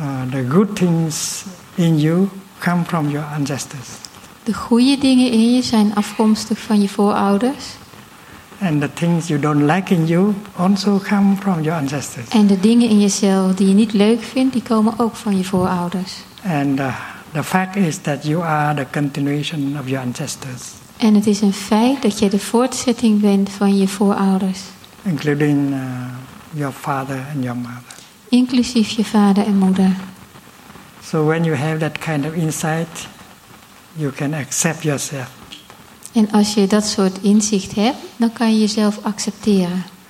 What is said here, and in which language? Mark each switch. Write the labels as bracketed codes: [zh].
[en] The good things in you come from your ancestors. [nl] De goede dingen in je zijn afkomstig van je voorouders. [en] And the things you don't like in you also come from your ancestors. [nl] En de dingen in jezelf die je niet leuk vindt, die komen ook van je voorouders. [en] And the fact is that you are the continuation of your ancestors. [nl] En het is een feit dat je de voortzetting bent van je voorouders. [en] Including your father and your mother. [nl] Inclusief je vader en moeder. [en] So when you have that kind of insight, you can accept yourself. [nl] En als je dat soort inzicht hebt, dan kan je jezelf accepteren.